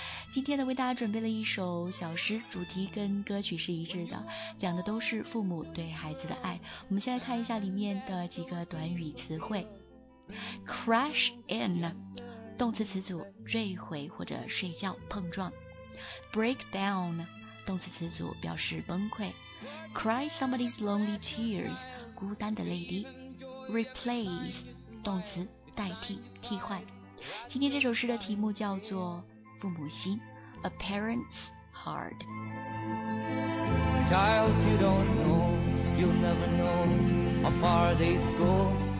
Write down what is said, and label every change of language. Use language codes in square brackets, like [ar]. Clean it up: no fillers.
[zh] 今天呢，为大家准备了一首小诗，主题跟歌曲是一致的，讲的都是父母对孩子的爱。我们先来看一下里面的几个短语词汇。Crash in， 动词词组，坠毁或者睡觉，碰撞。 Break down， 动词词组，表示崩溃。 [en] Cry somebody's lonely tears， [zh] 孤单的泪滴。 Replace， 动词，代替，替换。今天这首诗的题目叫做父母心， [en] A parent's heart。 Child, you don't know, you'll never know how far they'd go.